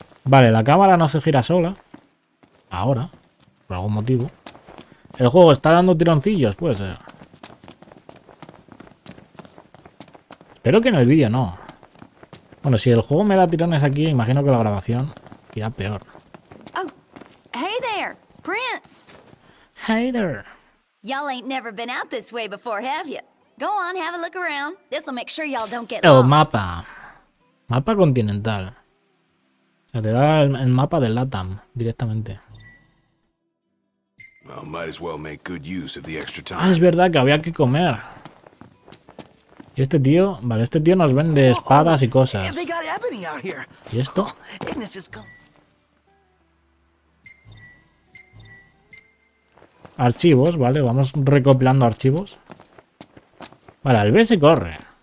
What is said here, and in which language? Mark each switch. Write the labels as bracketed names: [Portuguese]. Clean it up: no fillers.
[Spanish] Vale, la cámara no se gira sola. Ahora, por algún motivo. El juego está dando tironcillos, puede ser. Espero que en el vídeo no. Bueno, si el juego me da tirones aquí, imagino que la grabación irá peor. [English] Hey there, Prince. Hey there. Y'all ain't never been out this way before, have you? Go on, have a look around. This'll make sure y'all don't get [Spanish] el [English] lost. [Spanish] El mapa. Mapa continental. Se te da el mapa de LATAM directamente. [English] Well, might as well make good use of the extra time. [Spanish] Ah, es verdad que había que comer. Y este tío, vale, este tío nos vende espadas y cosas. [English] They got ebony out here. [Spanish] ¿Y esto? Archivos, vale, vamos recopilando archivos. Vale, el B se corre.